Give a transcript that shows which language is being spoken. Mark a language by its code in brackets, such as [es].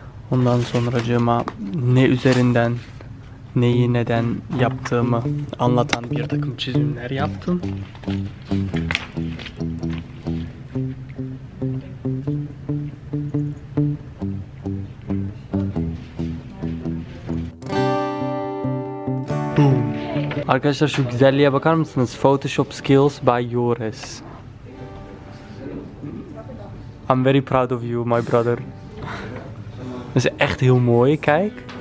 [tr] Ondan sonracığıma ne üzerinden neyi neden yaptığımı anlatan bir takım çizimler yaptım. Arkadaşlar şu güzelliğe bakar mısınız? [en] Photoshop skills by Yores. I'm very proud of you, my brother. [nl] Dat is echt heel mooi, kijk.